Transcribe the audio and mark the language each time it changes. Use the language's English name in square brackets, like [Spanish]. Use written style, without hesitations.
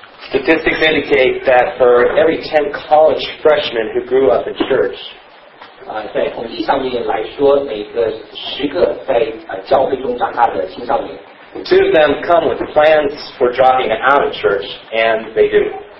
[English] Statistics indicate that for every 10 college freshmen who grew up in church, [Chinese] 在统计上面来说，每个十个在教会中长大的青少年。 [English] Two of them come with plans for dropping out of church, and they do.